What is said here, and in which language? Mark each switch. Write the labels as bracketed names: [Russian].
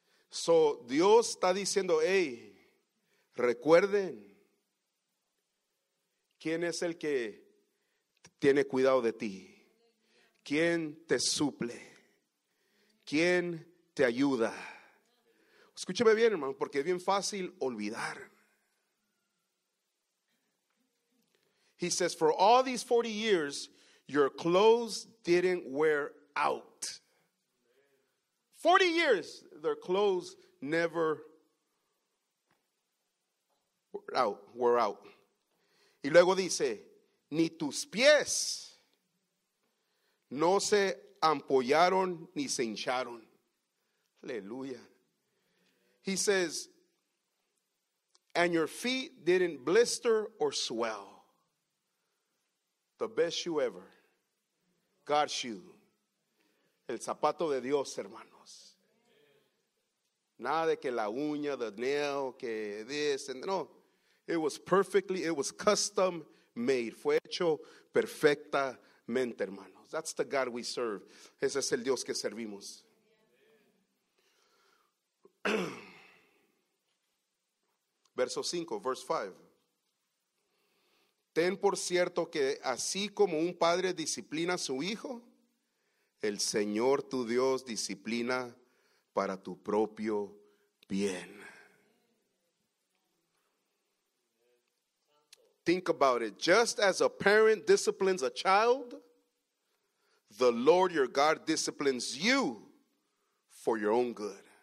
[Spanish] So, Dios está diciendo, hey, recuerden quién es el que tiene cuidado de ti. ¿Quién te suple? ¿Quién te ayuda? Escúcheme bien, hermano, porque es bien fácil olvidar. [English] He says, for all these 40 years, your clothes didn't wear out. 40 years, their clothes never wore out. [Spanish] Y luego dice, ni tus pies no se ampollaron ni se hincharon. Aleluya. [English] He says, and your feet didn't blister or swell. The best shoe ever. God's shoe. [Spanish] El zapato de Dios, hermanos. Nada de que la uña, [English] the nail, [Spanish] que [English] this. And no. It was custom made. [Spanish] Fue hecho perfectamente, hermanos. [English] That's the God we serve. [Spanish] Ese es el Dios que servimos. Verso 5, [English] verse 5. [Spanish] Ten por cierto que así como un padre disciplina a su hijo, el Señor tu Dios disciplina para tu propio bien. [English] Think about it. Just as a parent disciplines a child, the Lord your God disciplines you for your own good.